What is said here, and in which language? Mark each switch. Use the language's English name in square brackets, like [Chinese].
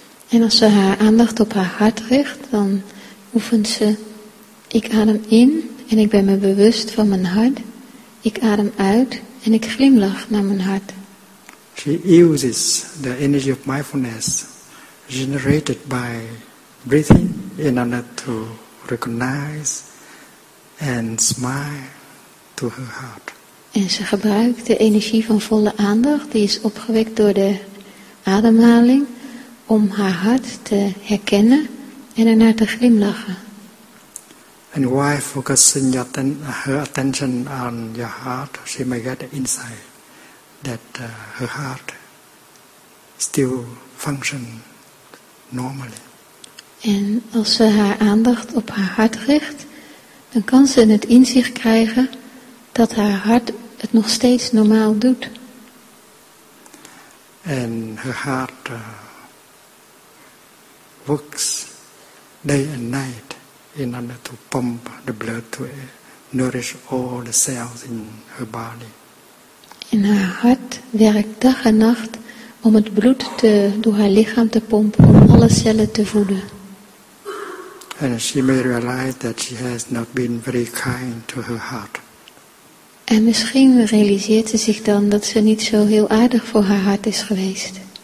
[Dutch] En als ze haar aandacht op haar hart richt, dan oefent ze, ik adem in en ik ben me bewust van mijn hart. Ik adem uit en ik glimlach naar mijn hart. [English] She uses the energy of mindfulness generated by breathing in order to recognize and smile to her heart. [Dutch] En ze gebruikt de energie van volle aandacht die is opgewekt door de ademhaling om haar hart te herkennen en ernaar te glimlachen. [English] And why focusing her attention on your heart, she may get the insight that her heart still functions normally. [Dutch] En als ze haar aandacht op haar hart richt, dan kan ze het inzicht krijgen dat haar hart het nog steeds normaal doet. [English] And her heart works day and night in order to pump the blood to nourish all the cells in her body. [Dutch] En haar hart werkt dag en nacht om het bloed te, door haar lichaam te pompen, om alle cellen te voeden. [English] And she may realize that she has not been very kind to her heart. [Dutch] En misschien realiseert ze zich dan dat ze niet zo heel aardig voor haar hart is geweest.